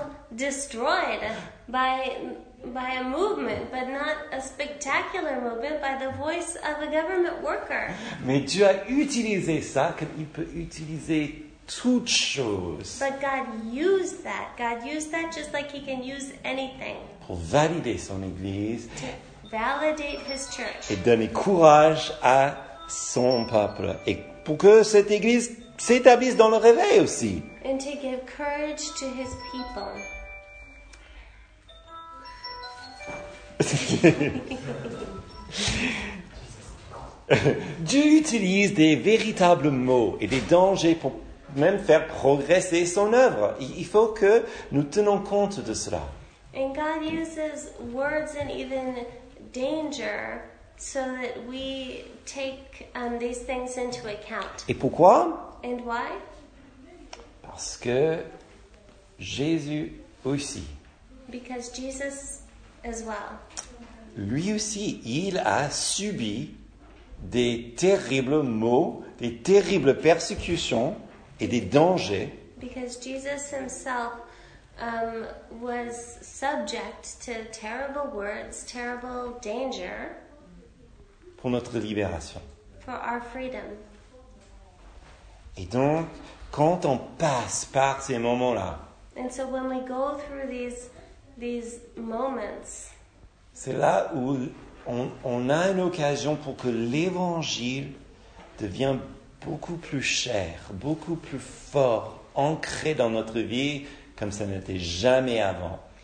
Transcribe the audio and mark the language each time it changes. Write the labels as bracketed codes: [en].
[en] Destroyed by a movement, but not a spectacular movement, by the voice of a government worker. [fr] Mais Dieu a utilisé ça comme il peut utiliser toute chose. [en] But God used that. God used that just like he can use anything. [fr] Pour valider son église. [en] To validate his church. [fr] Et donner courage à son peuple. Et pour que cette église s'établisse dans le réveil aussi. [en] And to give courage to his people. [fr] Dieu utilise des véritables mots et des dangers pour même faire progresser son œuvre. Il faut que nous tenions compte de cela. [en] And God uses words and even danger so that we take these things into account. [fr] Et pourquoi? [en] And why? [fr] Parce que Jésus aussi. [en] Because Jesus as well. [fr] Lui aussi, il a subi des terribles maux, des terribles persécutions et des dangers. [en] Because Jesus himself was subject to terrible words, terrible danger. [fr] Pour notre libération. [en] For our freedom. [fr] Et donc, quand on passe par ces moments-là. [en] And so when we go through these moments. [fr] C'est là où on a une occasion pour que l'évangile devienne beaucoup plus cher, beaucoup plus fort, ancré dans notre vie comme ça n'était jamais avant.